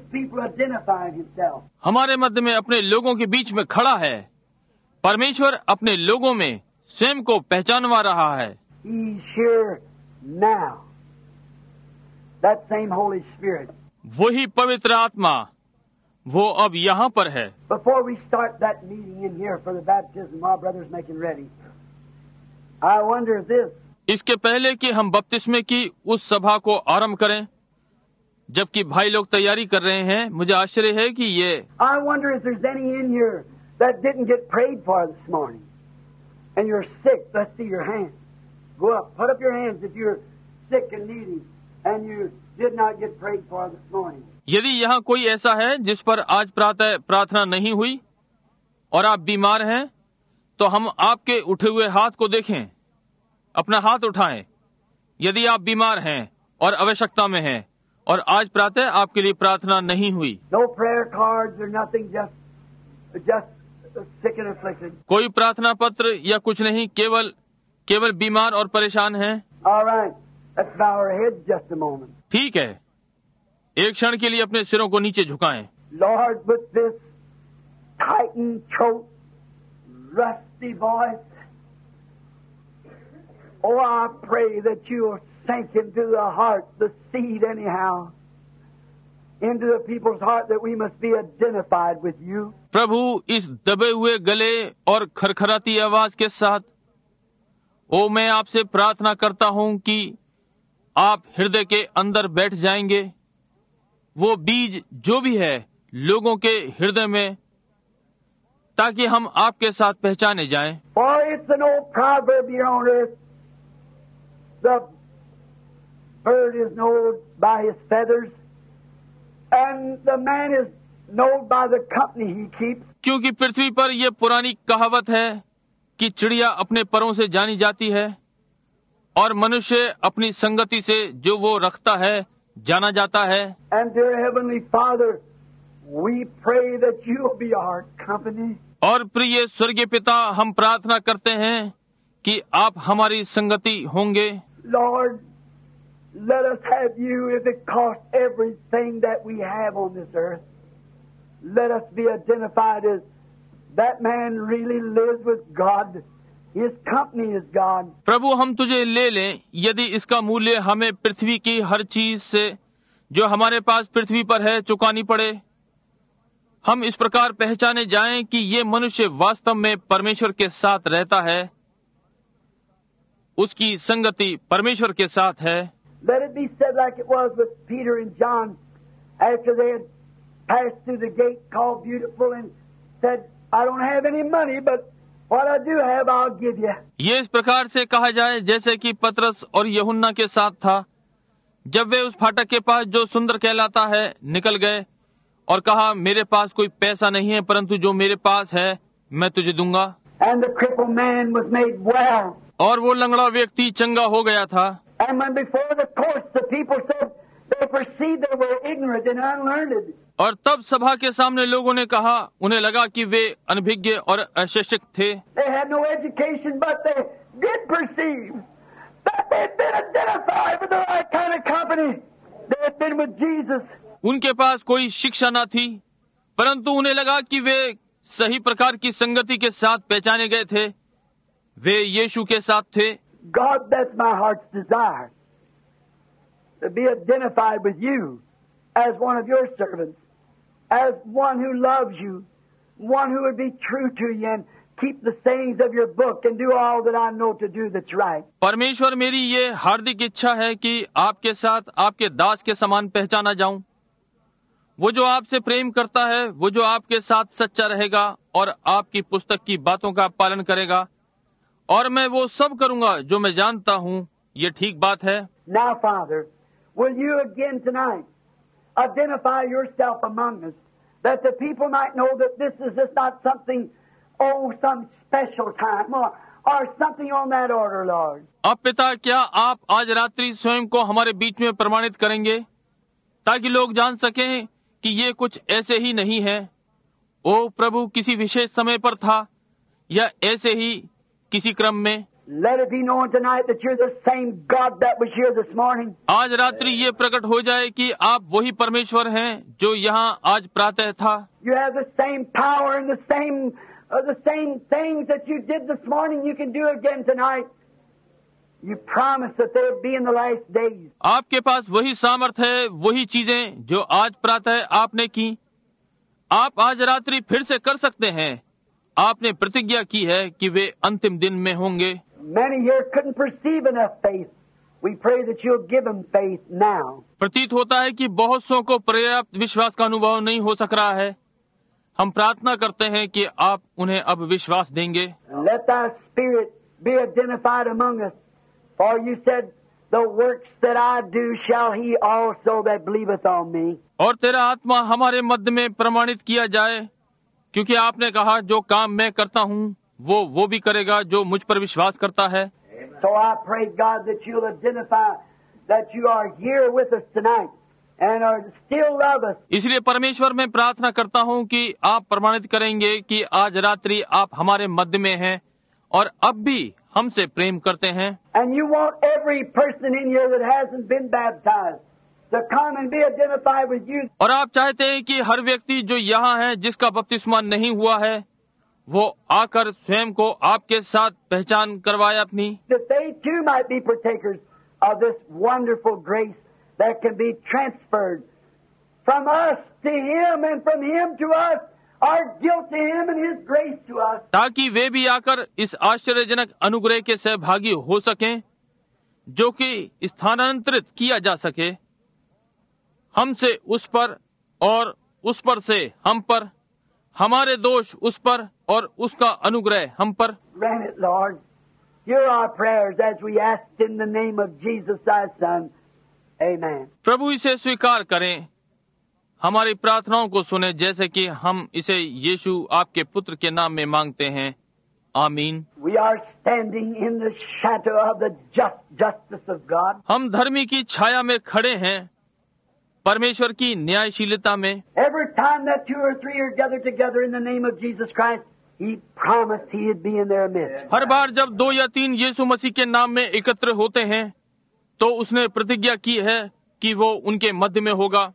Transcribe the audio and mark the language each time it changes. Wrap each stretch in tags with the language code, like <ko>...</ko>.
<hi>हमारे मध्य में अपने लोगों के बीच में खड़ा है. परमेश्वर अपने लोगों में स्वयं को पहचानवा रहा है.</hi> <en>He's here now. That same Holy Spirit.</en> <hi>वही पवित्र आत्मा वो अब यहाँ पर है.</hi> <en>Before we start that meeting in here for the baptism, my brother's making ready. I wonder this.</en> <hi>इसके पहले कि हम बपतिस्मे की उस सभा को आरंभ करें, जबकि भाई लोग तैयारी कर रहे हैं, मुझे आश्चर्य है कि ये.</hi> <en>I wonder if there's any in here that didn't get prayed for this morning, and you're sick. Let's see your hands. Go up. Put up your hands if you're sick and needy, and you did not get prayed for this morning.</en> <hi>यदि यहाँ कोई ऐसा है जिस पर आज प्रातः प्रार्थना नहीं हुई और आप बीमार हैं, तो हम आपके उठे हुए हाथ को देखें, अपना हाथ उठाएं. यदि आप बीमार हैं और आवश्यकता में हैं और आज प्रातः आपके लिए प्रार्थना नहीं हुई.</hi> <en>No prayer cards or nothing, just sick and afflicted.</en> <hi>कोई प्रार्थना पत्र या कुछ नहीं, केवल बीमार और परेशान हैं.</hi> <en>All right. Let's bow our heads just a moment.</en> <hi>ठीक है, एक क्षण के लिए अपने सिरों को नीचे झुकाएं.</hi> <en>Lord, with this tightened throat, rusty voice, oh, I pray that you will sink into the heart, the seed anyhow, into the people's heart that we must be identified with you.</en> <hi>प्रभु, इस दबे हुए गले और खरखराती आवाज के साथ, ओ, मैं आपसे प्रार्थना करता हूँ कि आप हृदय के अंदर बैठ जाएंगे. वो बीज जो भी है लोगों के हृदय में, ताकि हम आपके साथ पहचाने जाएं.</hi> <en>For it's an old proverb here on earth. The bird is known by his feathers, and the man is known by the company he keeps.</en> <hi>क्योंकि पृथ्वी पर ये पुरानी कहावत है कि चिड़िया अपने परों से जानी जाती है और मनुष्य अपनी संगति से जो वो रखता है जाना जाता है.</hi> <en>And dear Heavenly Father, we pray that you'll be our company.</en> <hi>और प्रिय स्वर्गीय पिता, हम प्रार्थना करते हैं कि आप हमारी संगति होंगे.</hi> <en>Lord, let us have you if it costs everything that we have on this earth. Let us be identified as that man really lives with God. His company is God.</en> <hi>प्रभु, हम तुझे ले लें यदि इसका मूल्य हमें पृथ्वी की हर चीज से जो हमारे पास पृथ्वी पर है चुकानी पड़े. हम इस प्रकार पहचाने जाएं कि ये मनुष्य वास्तव में परमेश्वर के साथ रहता है, उसकी संगति परमेश्वर के साथ है.</hi> <en>Let it be said like it was with Peter and John after they had passed through the gate called Beautiful and said, I don't have any money, but what I do have, I'll give you.</en> <hi>ये इस प्रकार से कहा जाए जैसे कि पतरस और यहुन्ना के साथ था, जब वे उस फाटक के पास जो सुंदर कहलाता है निकल गए और कहा, मेरे पास कोई पैसा नहीं है, परंतु जो मेरे पास है मैं तुझे दूंगा।</hi> <en>And the crippled man was made well.</en> <hi>और वो लंगड़ा व्यक्ति चंगा हो गया था।</hi> <en>And when before the court, the people said they perceived they were ignorant and unlearned.</en> <hi>और तब सभा के सामने लोगों ने कहा, उन्हें लगा कि वे अनभिज्ञ और अशिक्षित थे।</hi> <en>They had no education, but they did perceive that they had been identified with the right kind of company. They had been with Jesus.</en> <hi>उनके पास कोई शिक्षा ना थी, परंतु उन्हें लगा कि वे सही प्रकार की संगति के साथ पहचाने गए थे, वे यीशु के साथ थे।</hi> <en>God, that's my heart's desire, to be identified with you as one of your servants, as one who loves you, one who would be true to you and keep the sayings of your book and do all that I know to do that's right.</en> <hi>परमेश्वर, मेरी ये हार्दिक इच्छा है कि आपके साथ आपके दास के समान पहचाना जाऊं। वो जो आपसे प्रेम करता है, वो जो आपके साथ सच्चा रहेगा और आपकी पुस्तक की बातों का पालन करेगा, और मैं वो सब करूंगा जो मैं जानता हूँ ये ठीक बात है।</hi> <en>Now, Father, will you again tonight identify yourself among us that the people might know that this is just not something, oh, some special time or something on that order, Lord?</en> <hi>अब पिता, क्या आप आज रात्रि स्वयं को हमारे बीच में प्रमाणित करेंगे ताकि लोग जान सकें कि ये कुछ ऐसे ही नहीं है, ओ प्रभु किसी विशेष समय पर था या ऐसे ही किसी क्रम में?</hi> <en>Let it be known tonight that you're the same God that was here this morning.</en> <hi>आज रात्रि ये प्रकट हो जाए कि आप वही परमेश्वर हैं जो यहाँ आज प्रातः था।</hi> <en>You have the same power and the same things that you did this morning you can do again tonight. You promise that they'll be in the last days.</en> <hi>आपके पास वही सामर्थ है, वही चीजें जो आज प्रातः आपने की, आप आज रात्रि फिर से कर सकते हैं। आपने प्रतिज्ञा की है कि वे अंतिम दिन में होंगे।</hi> <en>Many here couldn't perceive enough faith. We pray that you'll give them faith now.</en> <hi>प्रतीत होता है कि बहुत सौ को पर्याप्त विश्वास का अनुभव नहीं हो सक रहा है। हम प्रार्थना करते हैं कि आप उन्हें अब विश्वास देंगे।</hi> <en>Let thy spirit be identified among us. For you said, the works that I do shall he also that believeth on me.</en> <hi>और तेरा आत्मा हमारे मध्य में प्रमाणित किया जाए, क्योंकि आपने कहा, जो काम मैं करता हूँ वो भी करेगा जो मुझ पर विश्वास करता है।</hi> <en>So I pray God that you'll identify that you are here with us tonight and are still love us.</en> <hi>इसलिए परमेश्वर, मैं प्रार्थना करता हूँ कि आप प्रमाणित करेंगे कि आज रात्रि आप हमारे मध्य में हैं और अब भी हमसे प्रेम करते हैं।</hi> <en>And you want every person in here that hasn't been baptized to come and be identified with you.</en> <hi>और आप चाहते हैं कि हर व्यक्ति जो यहाँ है जिसका बपतिस्मा नहीं हुआ है वो आकर स्वयं को आपके साथ पहचान करवाए अपनी।</hi> <en>That they too might be partakers of this wonderful grace that can be transferred from us to him and from him to us. Our guilt to him and his grace to us.</en> <hi>ताकि वे भी आकर इस आश्चर्यजनक अनुग्रह के सहभागी हो सकें, जो कि स्थानांतरित किया जा सके हमसे उस पर और उस पर से हम पर, हमारे दोष उस पर और उसका अनुग्रह हम पर।</hi> <en>Grant it, Lord. Hear our prayers as we ask in the name of Jesus, thy son. Amen.</en> <hi>प्रभु, इसे स्वीकार करें, हमारी प्रार्थनाओं को सुने, जैसे कि हम इसे यीशु आपके पुत्र के नाम में मांगते हैं। आमीन।</hi> <en>We are standing in the shadow of the justice of God.</en> <hi>हम धर्मी की छाया में खड़े हैं, परमेश्वर की न्यायशीलता में।</hi> <en>Every time that two or three are gathered together in the name of Jesus Christ, he promised he'd be in their midst.</en> <hi>हर बार जब दो या तीन यीशु मसीह के नाम में एकत्र होते हैं तो उसने प्रतिज्ञा की है कि वो उनके मध्य में होगा।</hi>